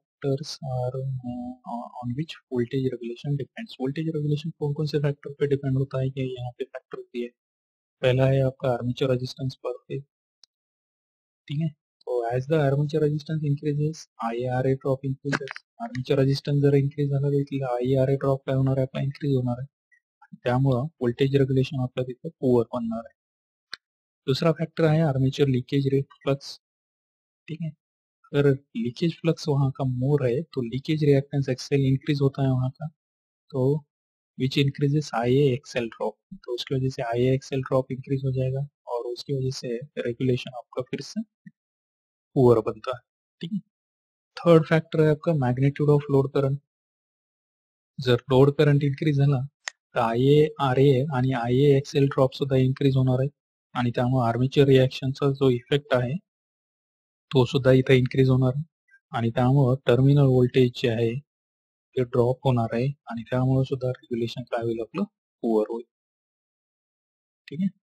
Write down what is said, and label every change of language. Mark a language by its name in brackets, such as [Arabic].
[English] Factors are on which voltage regulation depends. [Hindi] Voltage regulation कौन कौन से फैक्टर पे डिपेंड होता है, ये यहाँ पे फैक्टर भी है। पहला है आपका आर्मेचर रेजिस्टेंस पर फेज, ठीक है। [English] तो as the armature resistance increases I R a drop increases. [Marathi] Armature resistance जर इंक्रीज झाला तर आई आर ए ड्रॉप काय होणार आहे, आपला इंक्रीज होणार आहे, त्यामुळे वोल्टेज रेग्युलेशन आपल्या तिथे पुअर बनणार आहे। दुसरा फॅक्टर आहे आर्मेचर लिकेज रेट फ्लक्स, [Hindi] ठीक है। अगर लीकेज फ्लक्स वहां का मोर है तो लीकेज रिएक्टेंस एक्सएल इंक्रीज होता है वहां का, तो [English] which increases I a X L drop, [Hindi] तो उसकी वजह से आई ए एक्सएल ड्रॉप इंक्रीज हो जाएगा और उसकी वजह से रेगुलेशन आपका फिर से पुअर बनता है, ठीक है। थर्ड फैक्टर है आपका [English] Magnitude of load current. [Marathi] जर लोड करंट इंक्रीज झाला तर आई ए आर ए आणि आई ए एक्सएल ड्रॉप सुद्धा इंक्रीज होणार आहे आणि त्यामुळे आर्मेचर रिएक्शनचा जो इफेक्ट आहे तो सुद्धा इथे इन्क्रीज होणार आणि त्यामुळे टर्मिनल व्होल्टेज जे आहे ते ड्रॉप होणार आहे आणि त्यामुळे सुद्धा रेग्युलेशन काय होईल आपलं पुअर होईल, ठीक आहे।